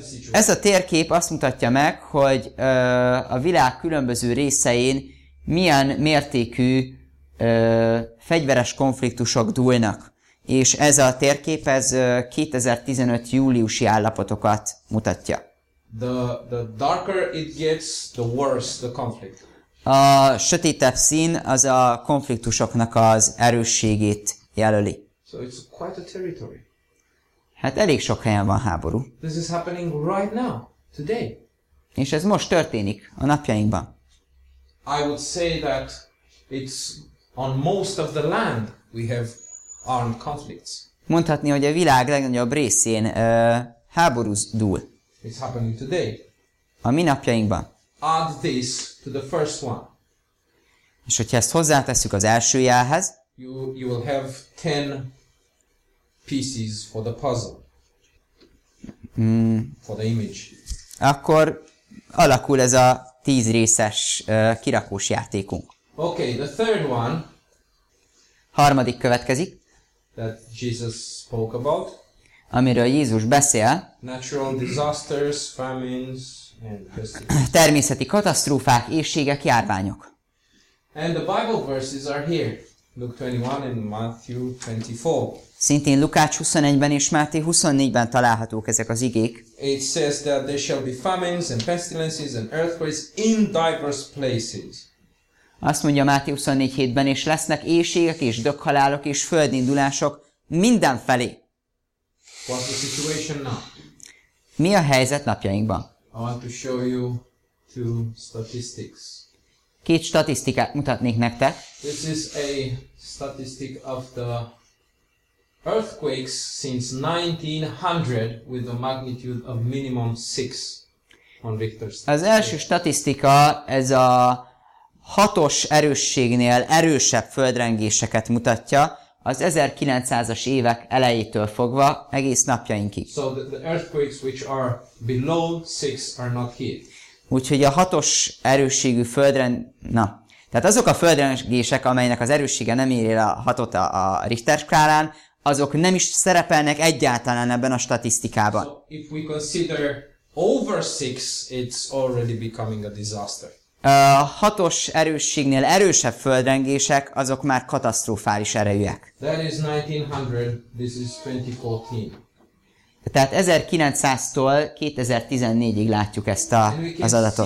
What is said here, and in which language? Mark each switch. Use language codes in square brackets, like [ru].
[hu] Ez a térkép azt mutatja meg, hogy a világ különböző részein milyen mértékű fegyveres konfliktusok dúlnak. És ez a térkép, ez 2015 júliusi állapotokat mutatja. [en] The darker it gets, the worse the conflict. [hu] A sötétebb szín az a konfliktusoknak az erősségét jelöli. [en] So it's quite a territory. [hu] Hát elég sok helyen van háború. [en] This is happening right now, today. [hu] És ez most történik, a napjainkban. [en] I would say that it's on most of the land we have armed conflicts. [hu] Mondhatni, hogy a világ legnagyobb részén háborúz dúl. [en] It's happening today. [hu] A mi napjainkban. [en] Add this to the first one. [hu] És hogyha ezt hozzáteszük az első jelhez, [en] you will have 10 pieces for the puzzle. For the image. [hu] Akkor alakul ez a 10 részes kirakós játékunk. [en] Okay, the third one. [hu] Harmadik következik. [en] That Jesus spoke about. [hu] Amiről Jézus beszél. [en] Natural disasters, famines and pestilences. [hu] Természeti katasztrófák, éhségek, járványok. [en] And the Bible verses are here. Luke 21 and Matthew 24. [hu] Szintén Lukács 21-ben és Máté 24-ben találhatók ezek az igék. [en] It says that there shall be famines and pestilences and earthquakes in diverse places. [hu] Azt mondja Máté 24:7-ben, és lesznek éhségek és dökhalálok és földindulások mindenfelé. [en] What's the situation now? [hu] Mi a helyzet napjainkban? [en] I want to show you two statistics. [hu] Két statisztikát mutatnék nektek. [en] This is a statistic of the earthquakes since 1900 with a magnitude of minimum 6 on Richter's. [hu] Az első statisztika ez a 6-os erősségnél erősebb földrengéseket mutatja az 1900-as évek elejétől fogva egész napjainkig. [en] So the earthquakes which are below 6 are not here. [hu] Úgyhogy a 6-os erősségű földrengések. Tehát azok a földrengések, amelynek az erőssége nem éri a 6-ot a Richter skálán, azok nem is szerepelnek egyáltalán ebben a statisztikában. [en] So if we consider over 6, it's already becoming a disaster. [hu] A 6-os erősségnél erősebb földrengések, azok már katasztrofális erejűek. [en] That is 1900, this is 2014. [hu] Tehát 1900-tól 2014-ig látjuk ezt a, az adatot.